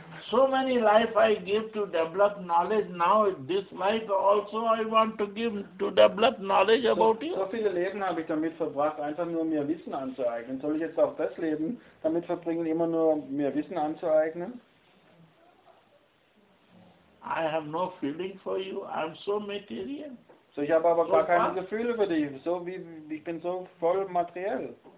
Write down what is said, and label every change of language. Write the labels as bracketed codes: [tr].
[en] So many life I give to develop knowledge, now this life also I want to give to develop knowledge about you. [de] So viele Leben habe ich damit verbracht, einfach nur mir Wissen anzueignen. Soll ich jetzt auch das Leben damit verbringen, immer nur mir Wissen anzueignen? [en] I have no feeling for you, I'm so material. [de] So ich habe aber gar keine Gefühle für dich, so wie ich bin so voll materiell.